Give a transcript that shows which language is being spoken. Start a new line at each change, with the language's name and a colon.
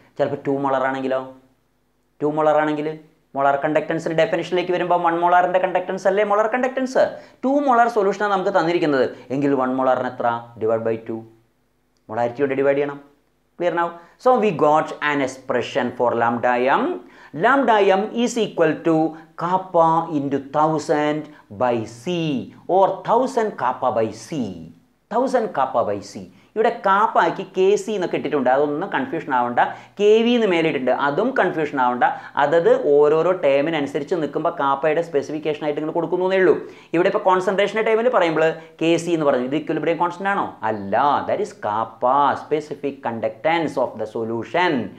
Malayalam: ചിലപ്പോൾ to molar ആണെങ്കിലോ, to molar ആണെങ്കിൽ മോളാർ കണ്ടക്ടൻസിൻ്റെ ഡെഫിനേഷനിലേക്ക് വരുമ്പോൾ വൺ മോളാറിൻ്റെ കണ്ടക്ടൻസ് അല്ലേ മോളാർ കണ്ടക്ടൻസ്. ടു മോളാർ സൊല്യൂഷനാണ് നമുക്ക് തന്നിരിക്കുന്നത് എങ്കിൽ വൺ മോളാറിന് എത്ര, ഡിവൈഡ് ബൈ ടു, മോളാരിറ്റി കൊണ്ട് ഡിവൈഡ് ചെയ്യണം.
English: Clear now? So we got an expression for lambda m. lambda m is equal to kappa into 1000 by c or 1000 kappa by c. 1000 kappa by c.
Malayalam: ഇവിടെ കാപ്പ ആക്കി kc എന്ന് കിട്ടിട്ടുണ്ട് അതൊന്നും confusion ആവണ്ട kv എന്ന് മേലിട്ടുണ്ട് അതും confusion ആവണ്ട അതത് ഓരോരോ ടേമിന് അനുസരിച്ച് നിൽക്കുമ്പോൾ കാപ്പയുടെ സ്പെസിഫിക്കേഷൻ ആയിട്ട് ഇങ്ങനെ കൊടുക്കുന്നേ ഉള്ളൂ ഇവിടെ ഇപ്പോൾ കോൺസെൻട്രേഷന്റെ ടേമിൽ പറയുമ്പോൾ kc എന്ന് പറഞ്ഞു ഇത് ഇക്വിലിബ്രിയം കോൺസ്റ്റന്റ് ആണോ അല്ല
English: that is kappa specific conductance of the solution